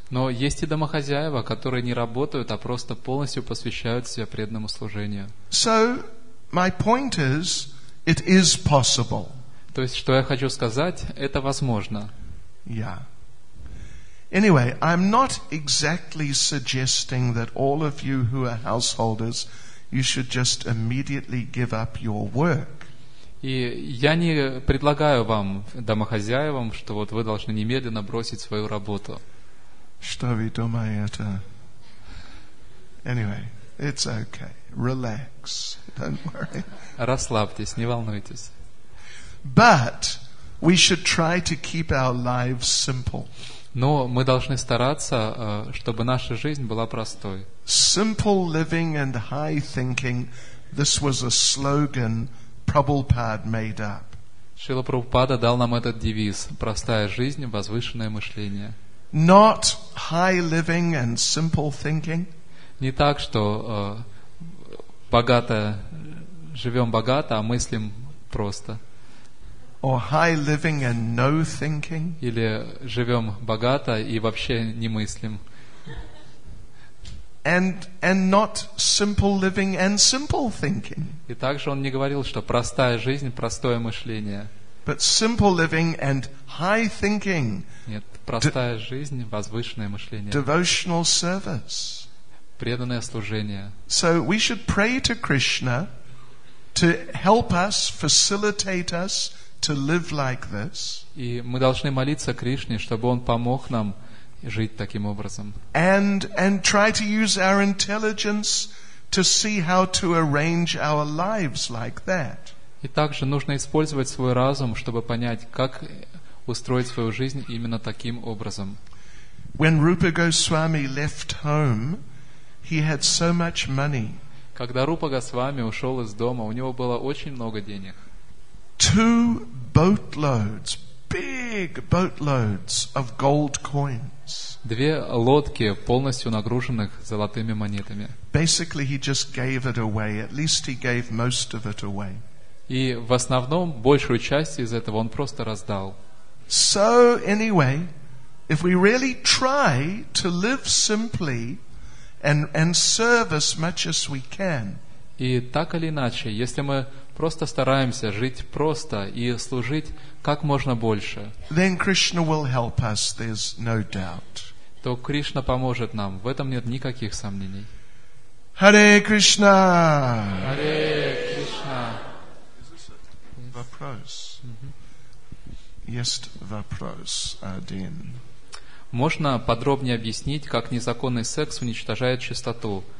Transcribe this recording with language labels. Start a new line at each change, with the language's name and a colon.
Russian: Но есть и домохозяева, которые не работают, а просто полностью посвящают себя преданному служению.
English: So, my point is, it is possible.
Russian: То есть, что я хочу сказать, это возможно.
English: Yeah. Anyway, I'm not exactly suggesting that all of you who are householders, you should just immediately give up your work.
Russian: И я не предлагаю вам, домохозяевам, что вот вы должны немедленно бросить свою работу. Что вы думаете?
English: Anyway, It's okay. Relax. Don't worry.
Russian: Расслабьтесь, не волнуйтесь.
English: But we should try to keep our lives simple.
Russian: Но мы должны стараться, чтобы наша жизнь была простой.
English: Simple living and high thinking. This was a slogan Prabhupada made up.
Russian: Шрила Прабхупада дал нам этот девиз: простая жизнь, возвышенное мышление.
English: Not high living and simple thinking.
Russian: Не так, что богато живем богато, а мыслим просто.
English: Or high living and no thinking.
Russian: Или живем богато и вообще не мыслим.
English: And not simple living and simple thinking.
Russian: И также он не говорил, что простая жизнь, простое мышление.
English: But simple living and high thinking.
Russian: Нет, простая жизнь, возвышенное мышление.
English: Devotional service.
Russian: Преданное служение.
English: So we should pray to Krishna to help us, facilitate us to live like this.
Russian: И мы должны молиться Кришне, чтобы он помог нам жить таким образом.
English: And try to use our intelligence to see how to arrange our lives like that.
Russian: И также нужно использовать свой разум, чтобы понять, как устроить свою жизнь именно таким образом.
English: When Rupa Goswami left home, he had so much money.
Russian: Когда Рупа Госвами ушел из дома, у него было очень много денег.
English: Two boatloads, big boatloads of gold coins.
Russian: Две лодки, полностью нагруженных золотыми монетами.
English: Basically, he just gave it away. At least he gave most of it away.
Russian: И в основном большую часть из этого он просто раздал.
English: So anyway, if we really try to live simply and serve as much as we can.
Russian: И так или иначе, если мы просто стараемся жить просто и служить как можно больше.
English: Then Krishna will help us, there's no doubt.
Russian: То Кришна поможет нам, в этом нет никаких сомнений.
English: Hare Krishna. Hare Krishna.
Russian: Вопрос. Есть вопрос один. Можно подробнее объяснить, как незаконный секс уничтожает чистоту?